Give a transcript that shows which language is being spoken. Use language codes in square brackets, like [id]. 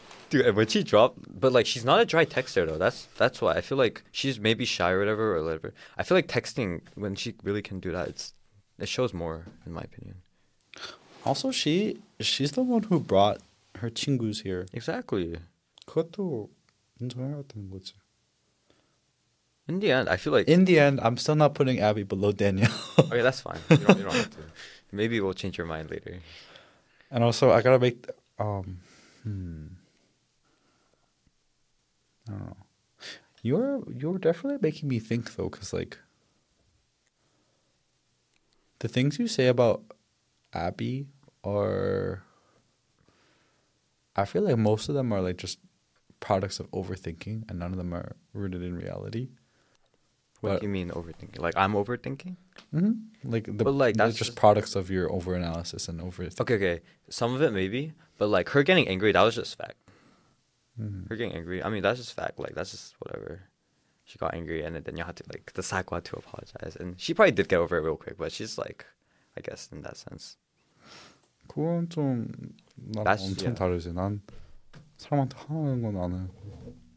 [en] Dude, and when she dropped... But, like, she's not a dry texter, though. That's why. I feel like she's maybe shy or whatever. I feel like texting, when she really can do that, it shows more, in my opinion. Also, she's the one who brought her 친구s here. Exactly. [ko] 그것도 인정해야 되는 거지. [en] In the end, I feel like... In the end, I'm still not putting Abby below Danielle. Okay, that's fine. You don't have to. Maybe we'll change your mind later. And also, I gotta make... I don't know. You're definitely making me think, though, because, like... The things you say about Abby are... I feel like most of them are, like, just products of overthinking, and none of them are rooted in reality. What do you mean overthinking? Like, I'm overthinking? Mm-hmm. Like, that's just products of your overanalysis and overthinking. Okay. Some of it, maybe. But, like, her getting angry, that was just fact. Mm-hmm. Her getting angry, I mean, that's just fact. Like, that's just whatever. She got angry, and then you had to, like, the sakwa to apologize. And she probably did get over it real quick, but she's, like, I guess, in that sense. [ko] 그건 좀... 난 [en] that's, [ko] 엄청 yeah. 다르지. 난 사람한테 화나는 건 안 해.